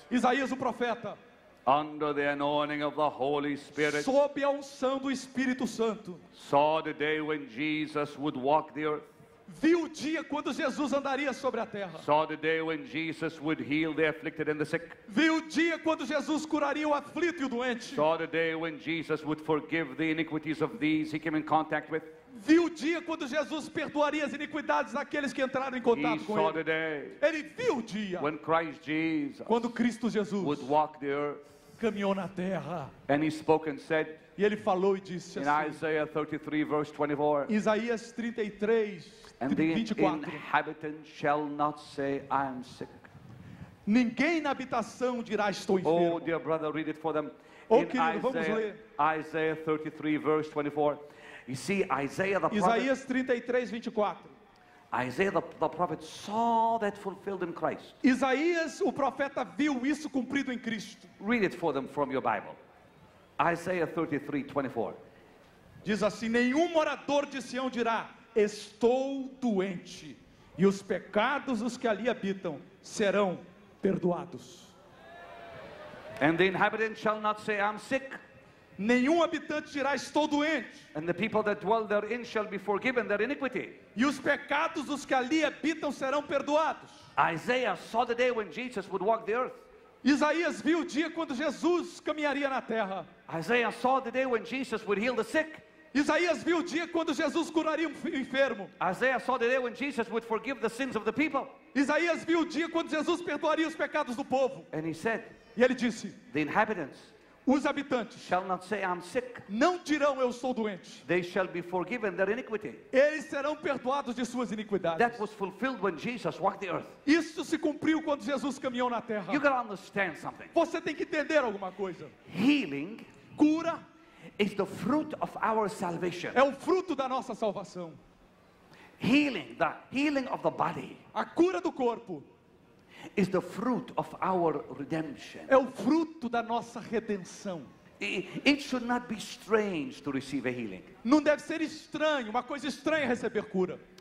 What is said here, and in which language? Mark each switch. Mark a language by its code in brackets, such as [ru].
[pt] Isaías o profeta, [en] under the anointing of the Holy Spirit, [pt] sob a unção do Espírito Santo, [en] saw the day when Jesus would walk the earth. [pt] Viu o dia quando Jesus andaria sobre a terra. [en] Saw the day when Jesus would heal the afflicted and the sick. [pt] Viu o dia quando Jesus curaria o aflito e o doente. [en] Saw the day when Jesus would forgive the iniquities of these he came in contact with. [pt] Viu o dia quando Jesus perdoaria as iniquidades daqueles que entraram em contato com ele. Ele viu o dia. [en] When Christ Jesus, [pt] quando Cristo Jesus [en] would walk the earth, [pt] caminhou na terra. [en] And he spoke and said, [pt] e ele falou e disse [en] in [pt] assim. [en] Isaiah 33, verse 24, [pt] Isaías 33, [en] and [pt] 24. [en] The inhabitant shall not say, I am sick. [pt] Ninguém na habitação dirá, estou enfermo. [en] Oh, dear brother, read it for them. [pt] Oh, in querido, Isaiah, vamos ler. [en] Isaiah 33, verse 24. You see, Isaiah the prophet, [pt] Isaías 33, 24. [en] Isaiah the prophet saw that fulfilled in Christ. [pt] Isaías, o profeta, viu isso cumprido em Cristo. [en] Read it for them from your Bible. Isaiah 33, 24. [pt] Diz assim, nenhum morador de Sião dirá, estou doente. E os pecados dos que ali habitam serão perdoados. [en] And the inhabitant shall not say, I'm sick. [pt] Nenhum habitante dirá, estou doente. [en] And the people that dwell therein shall be forgiven their iniquity. [pt] E os pecados dos que ali habitam serão perdoados. [en] Isaiah saw the day when Jesus would walk the earth. [pt] Isaías viu o dia quando Jesus caminharia na terra. [en] Isaiah saw the day when Jesus would heal the sick. [pt] Isaías viu o dia quando Jesus curaria o enfermo. [en] Isaiah saw the day when Jesus would forgive the sins of the people. [pt] Isaías viu o dia quando Jesus perdoaria os pecados do povo. [en] And he said, [pt] e ele disse, [en] the inhabitants, [pt] os habitantes, [en] shall not say, I'm sick. [pt] Não dirão, eu sou doente. [en] They shall be forgiven their iniquity. [pt] Eles serão perdoados de suas iniquidades. [en] That was fulfilled when Jesus walked the earth. [pt] Isso se cumpriu quando Jesus caminhou na terra. [en] You gotta understand something. [pt] Você tem que entender alguma coisa. [en] Healing, [pt] cura, [en] is the fruit of our salvation. [pt] É o fruto da nossa salvação. [en] Healing, the healing of the body, [pt] a cura do corpo, [en] is the fruit of our redemption. [pt] É o fruto da nossa redenção. [en] It should not be strange to receive a healing. [pt] Não deve ser estranho, uma coisa estranha receber cura.